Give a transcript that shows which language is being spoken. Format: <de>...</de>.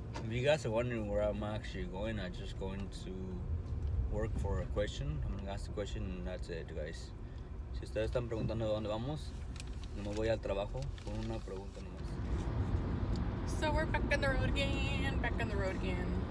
<en>you guys are wondering where I'm actually going, I'm just going to work for a question. I'm going to ask the question and that's it, guys.</en> <es>Si ustedes están preguntando dónde vamos, no me voy al trabajo con una pregunta nomás.</es> <en>So we're back on the road again, back on the road again.</en>